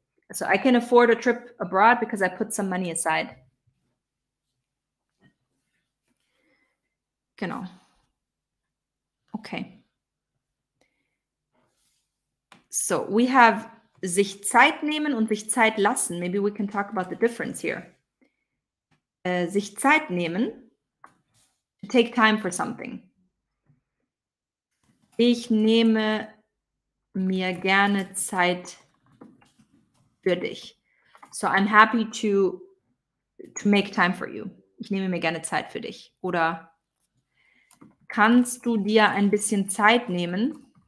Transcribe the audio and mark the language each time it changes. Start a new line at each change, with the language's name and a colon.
English: So I can afford a trip abroad because I put some money aside.
German: Genau. Okay.
English: So we have sich Zeit nehmen und sich Zeit lassen. Maybe we can talk about the difference here. Sich Zeit nehmen, to take time for something.
German: Ich nehme mir gerne Zeit für dich.
English: So I'm happy to make time for you.
German: Ich nehme mir gerne Zeit für dich. Oder kannst du dir ein bisschen Zeit nehmen?